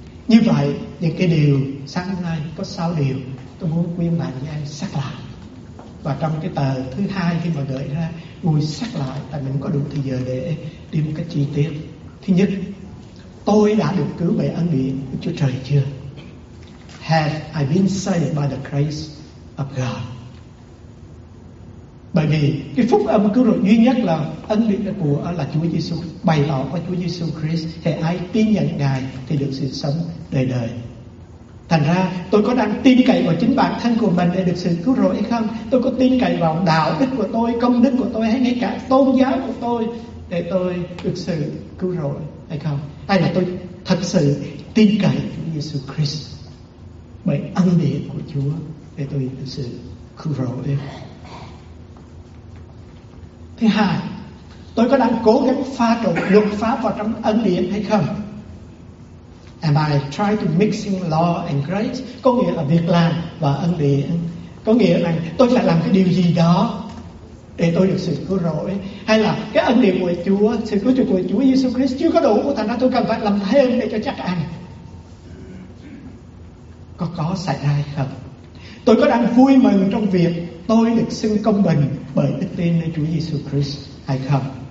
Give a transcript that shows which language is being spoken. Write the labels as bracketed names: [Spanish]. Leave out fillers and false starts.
[Vietnamese] Như vậy, những cái điều sáng hôm nay có 6 điều tôi muốn quý ông bà với em xác lại. Và trong cái tờ thứ hai khi mà gửi ra, ngồi xác lại là mình có đủ thời giờ để đi một cách chi tiết. Thứ nhất, tôi đã được cứu bởi ân điển của Chúa Trời chưa? [English] Have I been saved by the grace of God? [Vietnamese] Bởi vì cái phúc âm cứu rỗi duy nhất là ân điển của là Chúa Giêsu, bày tỏ của Chúa Giêsu Christ, thì ai tin nhận Ngài thì được sự sống đời đời. Thành ra tôi có đang tin cậy vào chính bản thân của mình để được sự cứu rỗi hay không? Tôi có tin cậy vào đạo đức của tôi, công đức của tôi hay ngay cả tôn giáo của tôi để tôi được sự cứu rỗi hay không? Hay là tôi thật sự tin cậy Chúa Giêsu Christ bởi ân điển của Chúa để tôi được sự cứu rỗi? Thứ hai, tôi có đang cố gắng pha trộn luật pháp vào trong ân điển hay không? [English] Am I trying to mixing law and grace? [Vietnamese] Có nghĩa là việc làm và ân điển. Có nghĩa là tôi phải làm cái điều gì đó để tôi được sự cứu rỗi. Hay là cái ân điển của Chúa, sự cứu chuộc của Chúa Jesus Christ chưa có đủ, thành ra tôi cần phải làm thêm để cho chắc ăn. Có xảy ra hay không? Tôi có đang vui mừng trong việc tôi được xưng công bình bởi đức tin nơi Chúa Jesus Christ hay không?